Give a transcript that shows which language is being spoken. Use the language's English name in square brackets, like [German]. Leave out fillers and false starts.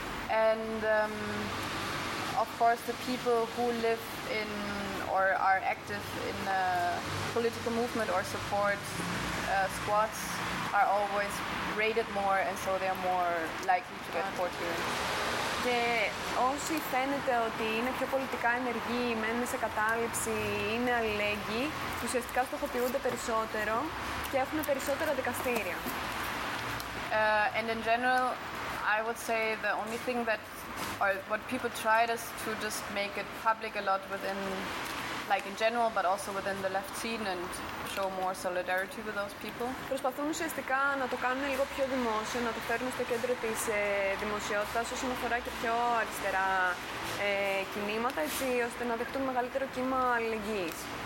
[English] And of course the people who live in or are active in a political movement or support squads are always rated more and so they are more likely to get court hearings. [Greek] Και όσοι φαίνεται ότι είναι πιο πολιτικά ενεργοί, μένουν σε κατάληψη, είναι αλληλέγγυοι, ουσιαστικά στοχοποιούνται περισσότερο και έχουν περισσότερα δικαστήρια. [English] And in general, I would say the only thing that, or what people tried is to just make it public a lot within, like in general, but also within the left scene and show more solidarity with those people. [Greek] Προσπαθούν ουσιαστικά να το κάνουν λίγο πιο δημόσιο, να το φέρουν στο κέντρο της δημοσιότητας όσον αφορά και πιο αριστερά κινήματα, έτσι ώστε να δεχτούν μεγαλύτερο κύμα αλληλεγγύης.